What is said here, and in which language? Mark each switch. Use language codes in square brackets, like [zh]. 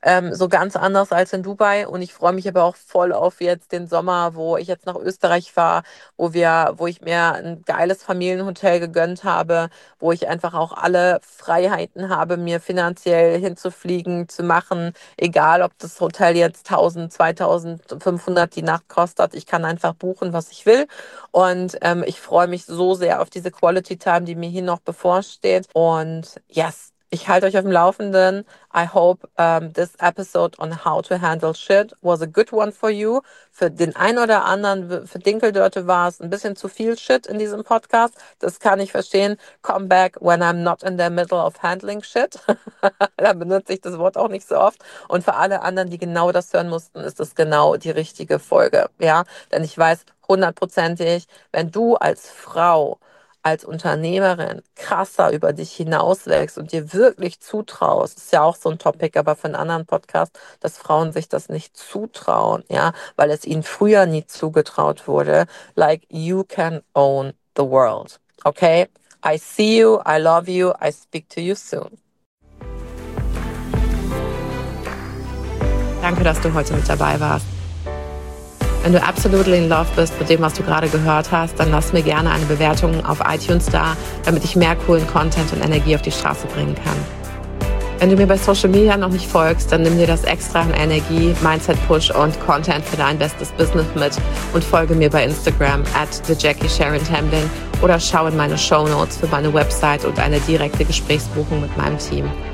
[de] So ganz anders als in Dubai. Und ich freue mich aber auch voll auf jetzt den Sommer, wo ich jetzt nach Österreich fahre, wo ich mir ein geiles Familienhotel gegönnt habe, wo ich einfach auch alle Freiheiten habe, mir finanziell hinzufliegen, zu machen. Egal, ob das Hotel jetzt 1000, 2500 die Nacht kostet. Ich kann einfach buchen, was ich will. Und ich freue mich so sehr auf diese Quality Time, die mir hier noch bevorsteht. Und yes, ich halte euch auf dem Laufenden. [en] I hope this episode on how to handle shit was a good one for you. [de] Für den einen oder anderen, für Dinkeldörte war es ein bisschen zu viel Shit in diesem Podcast. Das kann ich verstehen. [en] Come back when I'm not in the middle of handling shit. [de] Da benutze ich das Wort auch nicht so oft. Und für alle anderen, die genau das hören mussten, ist das genau die richtige Folge. Ja, denn ich weiß hundertprozentig, wenn du als Frau, als Unternehmerin krasser über dich hinauswächst und dir wirklich zutraust, ist ja auch so ein Topic, aber für einen anderen Podcast, dass Frauen sich das nicht zutrauen, ja, weil es ihnen früher nie zugetraut wurde. [en] Like, you can own the world. Okay? I see you, I love you, I speak to you soon. [de] Danke, dass du heute mit dabei warst. Wenn du absolut in love bist mit dem, was du gerade gehört hast, dann lass mir gerne eine Bewertung auf iTunes da, damit ich mehr coolen Content und Energie auf die Straße bringen kann. Wenn du mir bei Social Media noch nicht folgst, dann nimm dir das extra an Energie, Mindset Push und Content für dein bestes Business mit und folge mir bei Instagram @thejackiesharontemblin oder schau in meine Show Notes für meine Website und eine direkte Gesprächsbuchung mit meinem Team.